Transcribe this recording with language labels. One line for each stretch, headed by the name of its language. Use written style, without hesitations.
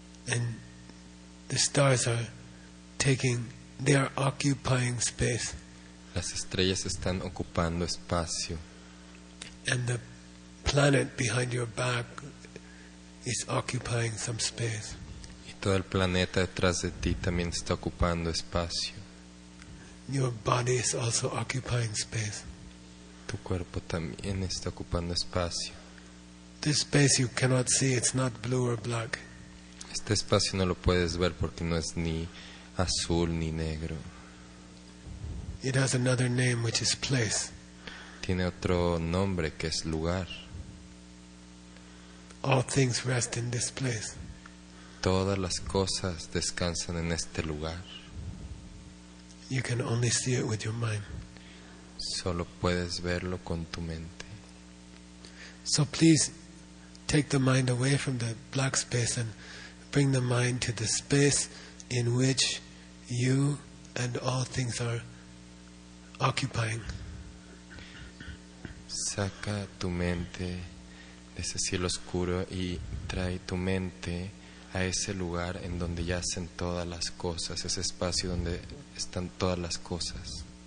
English: And the stars are taking, they are occupying space.
Spanish: Las estrellas están ocupando espacio.
English: And the planet behind your back is occupying some space.
Spanish: Y todo el planeta detrás de ti también está ocupando espacio.
English: Your body is also occupying space.
Spanish: Tu cuerpo también está ocupando espacio.
English: This space you cannot see, it's not blue or black.
Spanish: Este espacio no lo puedes ver porque no es ni azul ni negro.
English: It has another name, which is place.
Spanish: Tiene otro nombre que es lugar.
English: All things rest in this place.
Spanish: Todas las cosas descansan en este lugar.
English: You can only see it with your mind.
Spanish: Solo puedes verlo con tu mente.
English: So please take the mind away from the black space and bring the mind to the space in which you and all things are occupying.
Spanish: Saca tu mente ese cielo oscuro y trae tu mente a ese lugar en donde yacen todas las cosas, ese espacio donde están todas las cosas.